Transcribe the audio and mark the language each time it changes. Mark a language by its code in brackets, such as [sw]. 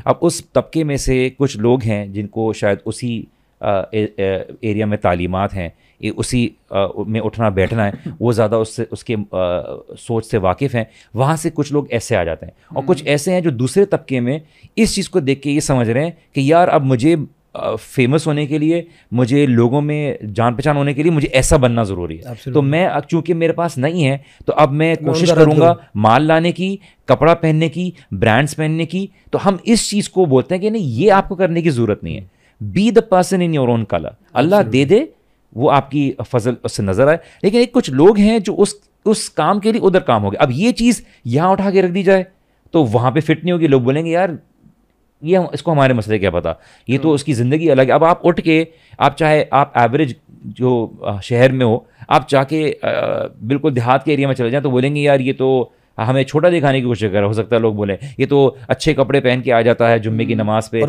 [ur] اب اس طبقے میں سے کچھ لوگ ہیں جن کو شاید اسی ایریا میں تعلیمات ہیں, اسی میں اٹھنا بیٹھنا ہے, وہ زیادہ اس کے سوچ سے واقف ہیں, وہاں سے کچھ لوگ ایسے آ جاتے ہیں, اور کچھ ایسے ہیں جو دوسرے طبقے میں اس چیز کو دیکھ کے یہ سمجھ رہے ہیں کہ یار اب مجھے فیمس ہونے کے لیے, مجھے لوگوں میں جان پہچان ہونے کے لیے مجھے ایسا بننا ضروری ہے. [en] Absolutely. [ur] تو میں اب چونکہ میرے پاس نہیں ہے تو اب میں کوشش کروں گا مال لانے کی, کپڑا پہننے کی, برانڈس پہننے کی. تو ہم اس چیز کو بولتے ہیں کہ نہیں, یہ آپ کو کرنے کی ضرورت نہیں ہے. [en] be the person in your own colour, [ur] اللہ دے دے وہ آپ کی فضل اس سے نظر آئے. لیکن ایک کچھ لوگ ہیں جو اس کام کے لیے ادھر کام ہو گیا, اب یہ چیز یہاں اٹھا کے رکھ دی جائے تو وہاں پہ فٹ نہیں ہوگی, لوگ بولیں گے یار یہ اس کو ہمارے مسئلے کیا پتا, یہ تو اس کی زندگی الگ ہے. اب آپ اٹھ کے, آپ چاہے آپ ایوریج جو شہر میں ہو, آپ چاہ کے بالکل دیہات کے ایریا میں چلے جائیں تو بولیں گے یار یہ تو ہمیں چھوٹا دکھانے کی کوشش کر رہا ہے. ہو سکتا ہے لوگ بولیں یہ تو اچھے کپڑے پہن کے آ جاتا ہے جمعے کی نماز پہ.